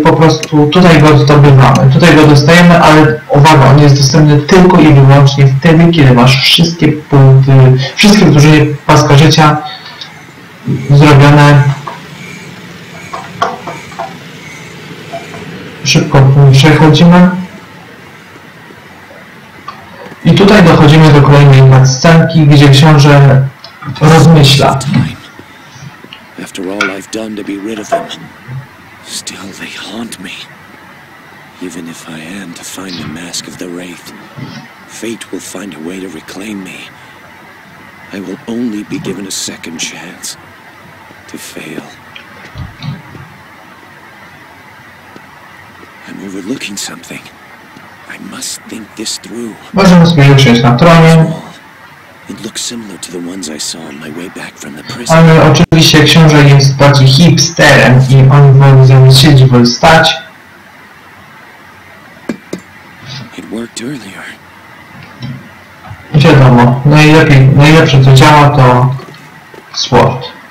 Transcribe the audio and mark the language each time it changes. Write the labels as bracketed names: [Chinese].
[Polish] Po prostu tutaj go zdobywamy, tutaj go dostajemy, ale uwaga, on jest dostępny tylko i wyłącznie wtedy, kiedy masz wszystkie punkty, wszystkie wydłużenie paska życia zrobione. Szybko przechodzimy. I tutaj dochodzimy do kolejnej nadscenki, gdzie książę rozmyśla. [English] After all I've done to be rid of them, still they haunt me. Even if I am to find the mask of the Wraith, fate will find a way to reclaim me. I will only be given a second chance to fail. I'm overlooking something. I must think this through. [Polish] Możemy sobie usiąść na tronie. [English] It looks similar to the ones I saw on my way back from the prison. [Polish] Ale oczywiście książę jest bardziej hipsterem i on woli zamiast siedzieć, woli stać. [English] It worked earlier. [Polish] Wiadomo, najlepsze co działa to sword.